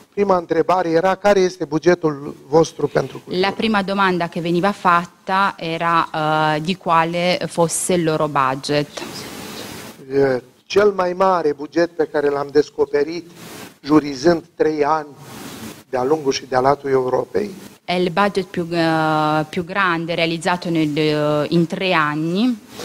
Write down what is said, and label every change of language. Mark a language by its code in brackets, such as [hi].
[ro] Prima întrebare era care este bugetul vostru pentru cultură. [it] La prima domanda che veniva fatta era di quale fosse il loro budget. [ro] Cel mai mare buget pe care l-am descoperit jurizând 3 ani de-a lungul și de-a latul Europei. [it] È il budget più grande realizzato in 3 anni.